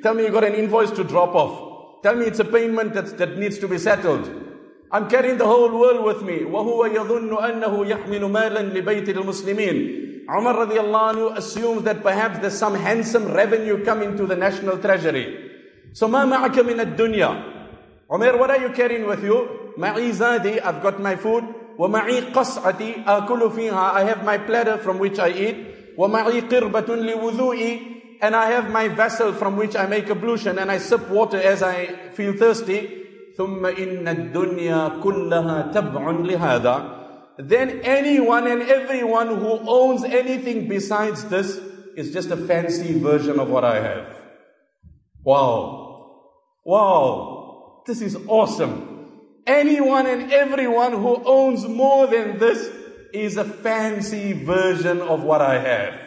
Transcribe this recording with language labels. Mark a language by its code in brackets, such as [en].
[en] Tell me you got an invoice to drop off. Tell me it's a payment that needs to be settled. I'm carrying the whole world with me. [ar] وَهُوَ يَظُنُّ أَنَّهُ يَحْمِلُ مَالًا لِبَيْتِ الْمُسْلِمِينَ. [en] Umar radiallahu anhu assumes that perhaps there's some handsome revenue coming to the national treasury. [ar] So مَا مَعَكَ مِنَ الدُّنْيَا. [en] Umar, what are you carrying with you? [ar] مَعِي زَادِي. [en] I've got my food. [ar] وَمَعِي قَصْعَتِي أَكُلُ فِيهَا. [en] I have my platter from which I eat. [ar] وَمَعِي قِرْبَةٌ لِوُذُوئِي. [en] and I have my vessel from which I make ablution and I sip water as I feel thirsty. [ar] ثم إن الدنيا كلها تبع لهذا. [en] Then anyone and everyone who owns anything besides this is just a fancy version of what I have. Wow. Wow. This is awesome. Anyone and everyone who owns more than this is a fancy version of what I have.